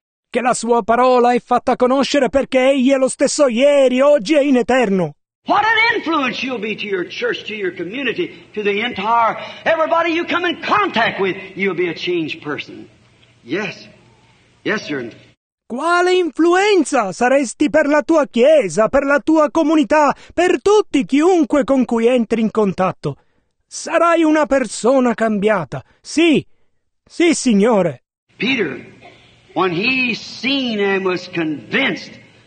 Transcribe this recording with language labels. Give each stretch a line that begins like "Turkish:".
Italian: Che la sua parola è fatta conoscere perché egli è lo stesso ieri, oggi e in eterno.
English: What an influence you'll be to your church, to your community, to the entire everybody you come in contact with, you'll be a changed person. Yes. Yes, sir.
Italian: Quale influenza saresti per la tua chiesa, per la tua comunità, per tutti, chiunque con cui entri in contatto? Sarai una persona cambiata. Sì. Sì, Signore.
English: Peter, when he seen and was convinced.